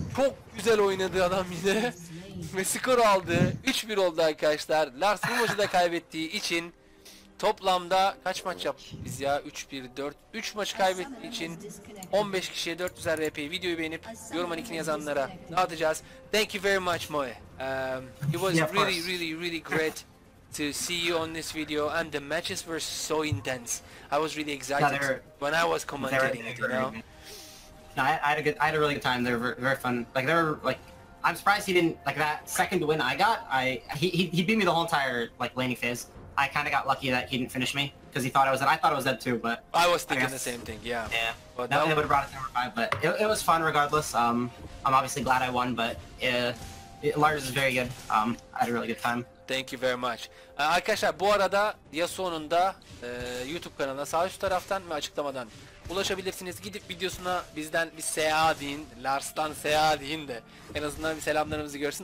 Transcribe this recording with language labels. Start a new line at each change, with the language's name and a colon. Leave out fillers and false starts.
Turkish: Çok güzel oynadı adam yine. Ve skoru aldı. 3-1 oldu arkadaşlar. Lars bu maçı da kaybettiği için toplamda kaç maç yaptık ya? 3-1-4. 3 maç kaybettiği için 15 kişiye 400'er RP videoyu beğenip yorum anikini yazanlara dağıtacağız.
English: Thank you very much MOE. It was really really really great to see you on this video, and the matches were so intense. I was really excited when I was commentating it, you know? No, I had a really good time. They were very, very fun. Like, they were, like, I'm surprised he didn't, like, that second win I got, he beat me the whole entire, like, laning phase. I kind of got lucky that he didn't finish me, because he thought I was dead. I thought I was dead too, but I was thinking the same thing, yeah. Yeah. But that would have brought it to number 5, but it was fun regardless. I'm obviously glad I won, but Lars is very good. I had a really good time. Thank you very much.
Turkish: Arkadaşlar bu arada Yasuo'nun da YouTube kanalına sağ üst taraftan ve açıklamadan ulaşabilirsiniz. Gidip videosuna bizden bir SA deyin. Lars'tan SA deyin de en azından bir selamlarımızı görsün.